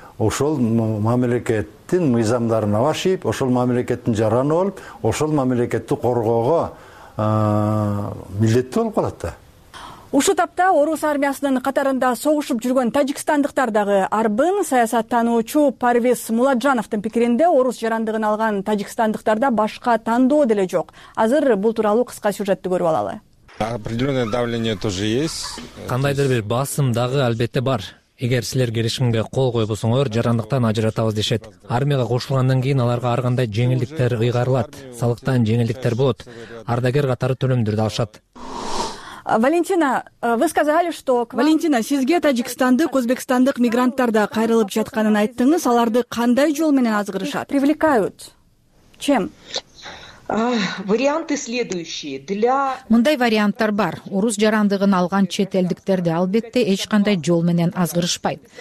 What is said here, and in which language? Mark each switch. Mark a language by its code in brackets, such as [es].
[ky] ошол мамлекеттин мыйзамдарына башып, ошол мамлекеттин жараны болуп, ошол мамлекетти коргоого милдеттүү болуп калат да. Ушул тапта орус армиясынын катарында согушуп жүргөн тажикстандыктар дагы арбын. Саясаттануучу Парвиз Муладжановдун пикиринде орус жарандыгын алган тажикстандыктарда башка тандоо деле жок. Азыр бул тууралуу кыска сюжетти көрүп алалы. [ru] Определенное давление тоже есть. [ky] Кандайдыр бир басым дагы албетте бар. Эгер силер келишимге кол койбосоңор, жарандыктан ажыратабыз дешет. Армияга кошулгандан кийин аларга ар кандай жеңилдиктер ыйгарылат, салыктан жеңилдиктер болот, ардагер катары төлөмдөрдү алышат. [ru] Валентина, вы сказали, что... [ky] Валентина, сизге тажикстандык, өзбекстандык мигранттар да кайрылып жатканын айттыңыз, аларды кандай жол менен азгырышат? [ru] Привлекают. Чем? Варианты следующие. [ky] Мындай варианттар бар. Орус жарандыгын алган чет элдиктерди албетте эч кандай жол менен азгырышпайт.